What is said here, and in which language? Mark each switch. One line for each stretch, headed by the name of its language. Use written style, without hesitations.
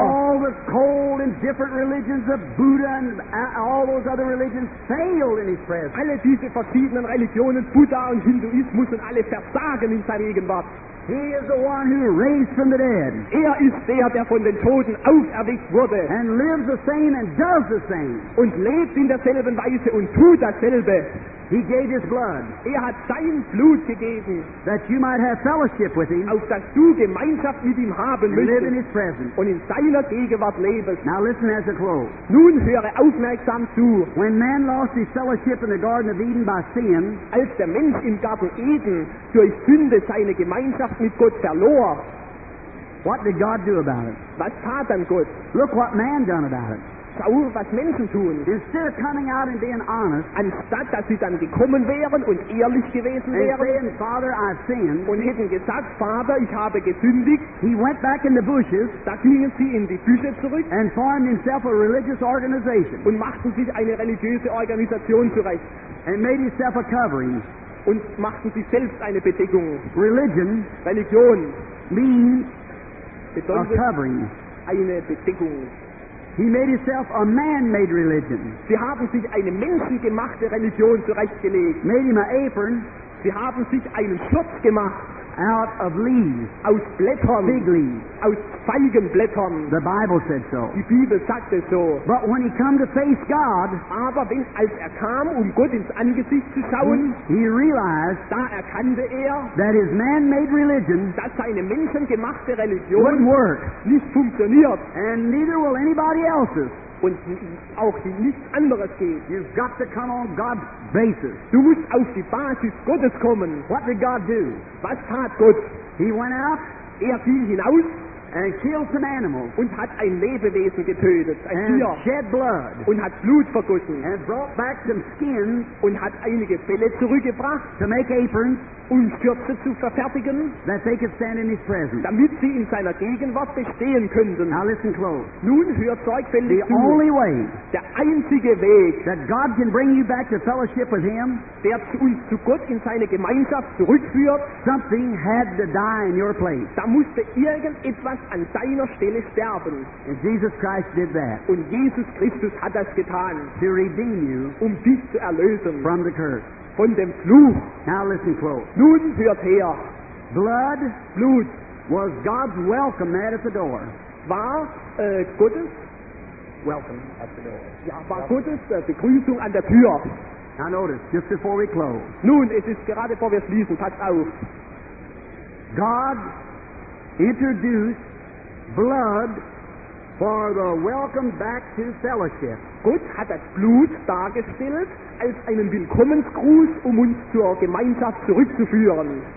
English: All the cold and different religions of Buddha and all those other religions failed in his presence.
German: Alle diese verschiedenen Religionen, Buddha und Hinduismus und alle versagen in seiner Gegenwart.
English: He is the one who raised from the dead.
German: Er ist der, der von den Toten auferweckt wurde.
English: And lives the same and does the same.
German: Und lebt in derselben Weise und tut dasselbe.
English: He gave his blood.
German: Er hat sein Blut gegeben.
English: That you might have fellowship with him.
German: Auf dass du Gemeinschaft mit ihm haben möchtest.
English: And live in his presence.
German: Und in seiner Gegenwart lebest.
English: Now listen as a close.
German: Nun höre aufmerksam zu.
English: When man lost his fellowship in the Garden of Eden by sin.
German: Als der Mensch im Garten Eden durch Sünde seine Gemeinschaft mit Gott verlor.
English: What did God do about it?
German: Was tat dann Gott?
English: Look what man done about it.
German: Was Menschen tun.
English: Instead of coming out and being honest,
German: anstatt dass sie dann gekommen wären und ehrlich gewesen wären,
English: saying, Father, I've sinned,
German: und hätten gesagt, Vater, ich habe gesündigt,
English: he went back in the bushes,
German: da gingen sie in die Büsche zurück,
English: and formed himself a religious organization,
German: und machten sich eine religiöse Organisation zurecht,
English: and made himself a covering,
German: und machten sich selbst eine Bedeckung.
English: Religion,
German: Religion
English: means
German: bedeutet
English: a covering,
German: eine Bedeckung.
English: He made himself a man-made religion.
German: Sie haben sich eine menschengemachte Religion zurechtgelegt.
English: Made him an apron.
German: Sie haben sich einen Schutz gemacht.
English: Out of leaves.
German: Aus Blättern.
English: Fig leaves.
German: Aus Feigenblättern.
English: The Bible said so.
German: Die Bibel sagte so.
English: But when he came to face God,
German: aber wenn, als er kam, Gott ins Angesicht zu schauen,
English: he realized,
German: da erkannte er,
English: that his man-made religion,
German: dass seine menschengemachte Religion,
English: wouldn't work.
German: Nicht funktioniert.
English: And neither will anybody else's.
German: Und auch die nichts anderes geht.
English: You've got to come on God's basis.
German: Du musst auf die Basis Gottes kommen.
English: What did God do?
German: Was tat Gott?
English: He went out.
German: Er fiel hinaus.
English: And killed some animals.
German: Und hat ein Lebewesen getötet. Ein
English: and
German: Tier.
English: Shed blood.
German: Und hat Blut vergossen.
English: And brought back some skin.
German: Und hat einige Felle zurückgebracht.
English: To make aprons.
German: Um Schürze zu verfertigen.
English: That they could stand in his presence.
German: Damit sie in seiner Gegenwart bestehen könnten.
English: Now listen close.
German: Nun hört sorgfältig zu.
English: The only way.
German: Der einzige Weg.
English: That God can bring you back to fellowship with him.
German: Der uns zu Gott in seine Gemeinschaft zurückführt.
English: Something had to die in your place.
German: Da musste irgendetwas an deiner Stelle sterben.
English: And Jesus Christ did that.
German: Und Jesus Christus hat das getan.
English: To redeem you.
German: Dich zu erlösen.
English: From the curse.
German: Von dem Fluch.
English: Now listen close.
German: Nun hört her.
English: Blood,
German: Blut,
English: was God's welcome mat at the door.
German: War Gottes
English: welcome at the door.
German: Ja, war Gottes Begrüßung an der Tür.
English: Now notice, just before we close.
German: Nun, es ist gerade bevor wir schließen. Pass auf.
English: God introduced blood for the welcome back to fellowship.
German: Gott hat das Blut dargestellt als einen Willkommensgruß, uns zur Gemeinschaft zurückzuführen.